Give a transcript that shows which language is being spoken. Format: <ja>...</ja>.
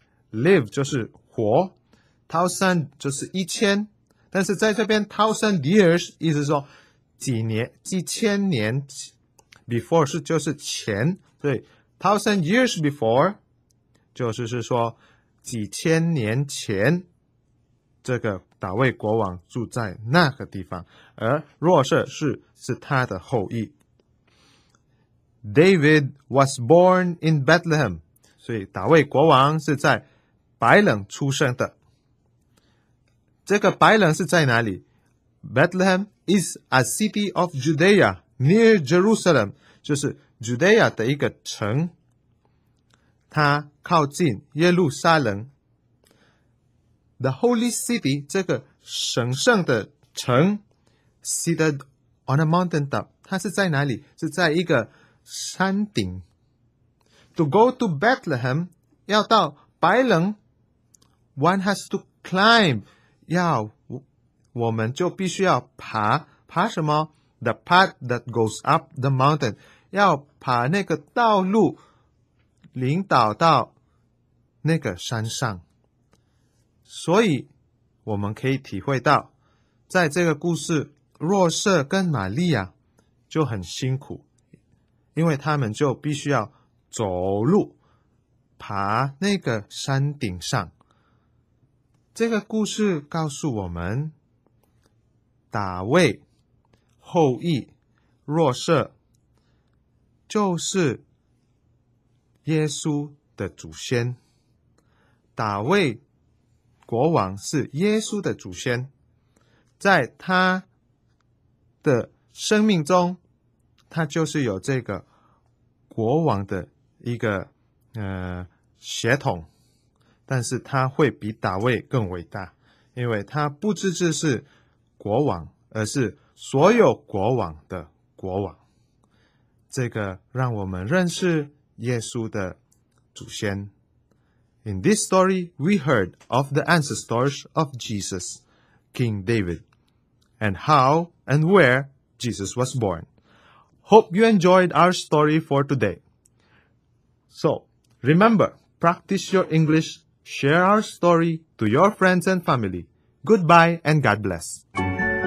<zh>live 就是活， 1000 就是1000，但是在这边 thousand years 意思说几年几千年， before 是就是前，所以</zh> <en>thousand years before</en> <zh>就是说几千年前这个大卫国王住在那个地方，而若瑟是他的后裔。</zh> <en>David was born in Bethlehem，</en> <zh>所以大卫国王是在白冷出生的。这个白人是在哪里？</zh> <en>Bethlehem is a city of Judea near Jerusalem，</en> <zh>就是 Judea 的一个城，它靠近耶路撒冷。</zh> <en>The holy city，</en> <zh>这个神圣的城，</zh> <en>seated on a mountaintop，</en> <zh>它是在哪里？是在一个山顶。</zh> <en>To go to Bethlehem，</en> <zh>要到白人，</zh> <en>one has to climb，</en> <zh>要我们就必须要爬，爬什么？</zh> <en>The path that goes up the mountain，</en> <zh>要爬那个道路领导到那个山上。所以我们可以体会到，在这个故事，若瑟跟玛利亚就很辛苦，因为他们就必须要走路爬那个山顶上。这个故事告诉我们，大卫后裔若瑟就是耶稣的祖先，大卫国王是耶稣的祖先，在他的生命中，他就是有这个国王的一个血统。但是他会比大卫更伟大，因为他不只只是国王，而是所有国王的国王。这个让我们认识耶稣的祖先。</zh> <en>In this story, we heard of the ancestors of Jesus, King David, and how and where Jesus was born. Hope you enjoyed our story for today. So, remember, practice your English. Share our story to your friends and family. Goodbye and God bless.</en>